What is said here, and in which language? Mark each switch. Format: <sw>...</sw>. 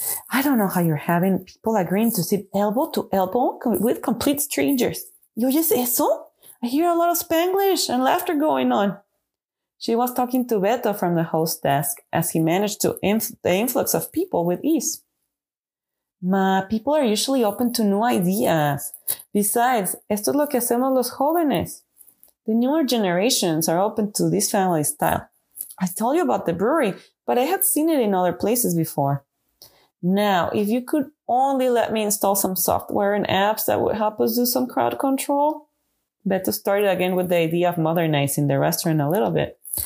<en>I don't know how you're having people agreeing to sit elbow to elbow with complete strangers.</en> <es>¿Y oyes eso?</es> <en>I hear a lot of Spanglish and laughter going on. She was talking to Beto from the host desk as he managed to the influx of people with ease. Ma, people are usually open to new ideas. Besides,</en> <es>esto es lo que hacemos los jóvenes.</es> <en>The newer generations are open to this family style. I told you about the brewery, but I had seen it in other places before. Now, if you could only let me install some software and apps that would help us do some crowd control. Beto started again with the idea of modernizing the restaurant a little bit.</en>